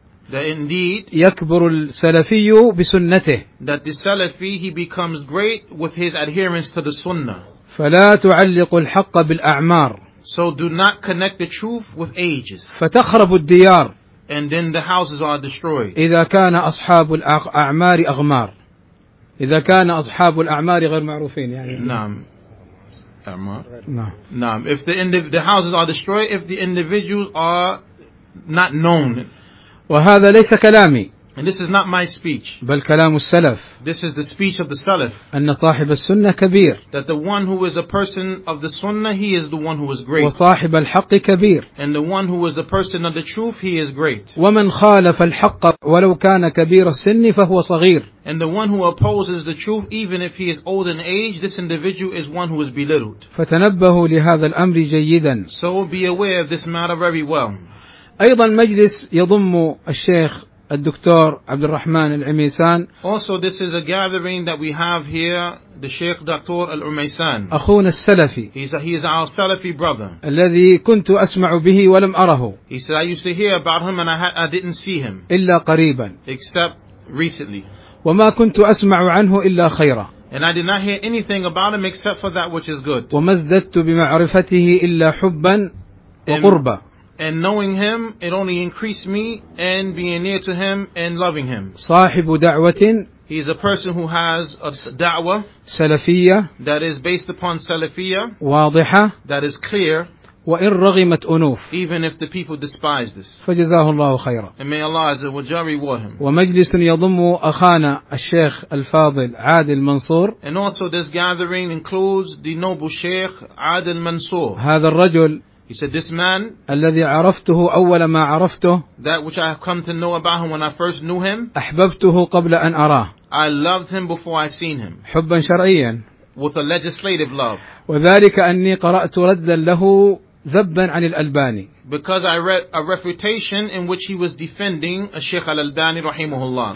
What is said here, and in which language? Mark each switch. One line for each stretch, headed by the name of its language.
English: That indeed.
Arabic: يكبر السلفي بسنته.
English: That the Salafi he becomes great with his adherence to the Sunnah.
Arabic: فلا تعلق الحق بالأعمار.
English: So do not connect the truth with ages.
Arabic: فتخرب الديار.
English: And then the houses are destroyed.
Arabic: إذا كان أصحاب الأعمار أغمار. إذا كان أصحاب الأعمار غير معروفين يعني. نعم. أعمار. نعم.
English: If the houses are destroyed, if the individuals are not known.
Arabic: وهذا ليس كلامي.
English: And this is not my speech.
Arabic: بل كلام السلف.
English: This is the speech of the Salaf.
Arabic: أن صاحب السنة كبير.
English: That the one who is a person of the Sunnah, he is the one who is great.
Arabic: وصاحب الحق كبير.
English: And the one who is the person of the truth, he is great.
Arabic: ومن خالف الحق ولو كان كبير السن فهو صغير.
English: And the one who opposes the truth, even if he is old in age, this individual is one who is belittled.
Arabic: فتنبهوا لهذا الأمر جيدا.
English: So be aware of this matter very well.
Arabic: أيضا مجلس يضم الشيخ الدكتور عبد الرحمن العميسان.
English: Also, this is a gathering that we have here, the Sheikh Dr. Al-Umaysan.
Arabic: أخونا السلفي.
English: He is our Salafi brother.
Arabic: الذي كنت أسمع به ولم أره.
English: He said, I used to hear about him and I didn't see him.
Arabic: إلا قريبا.
English: Except recently.
Arabic: وما كنت أسمع عنه إلا خيرا.
English: And I did not hear anything about him except for that which is good.
Arabic: وما ازددت بمعرفته إلا حبا وقربا.
English: And knowing him, it only increased me and being near to him and loving him.
Arabic: صاحب دعوة.
English: He is a person who has a da'wah.
Arabic: سلفية.
English: That is based upon سلفية.
Arabic: واضحة.
English: That is clear.
Arabic: وإن رغمت أنوف.
English: Even if the people despise this.
Arabic: فجزاه الله خيرا.
English: And may Allah
Arabic: عز وجل
English: reward him.
Arabic: ومجلس يضم أخانا الشيخ الفاضل عادل منصور.
English: And also this gathering includes the noble Sheikh عادل منصور.
Arabic: هذا الرجل.
English: He said, this man,
Arabic: الذي عرفته أول ما عرفته,
English: that which I have come to know about him when I first knew him,
Arabic: أحببته قبل أن أراه,
English: I loved him before I seen him,
Arabic: حبا شرعيا,
English: with a legislative love,
Arabic: وذلك أني قرأت ردا له ذبا عن الألباني,
English: because I read a refutation in which he was defending الشيخ الألباني
Arabic: رحمه الله,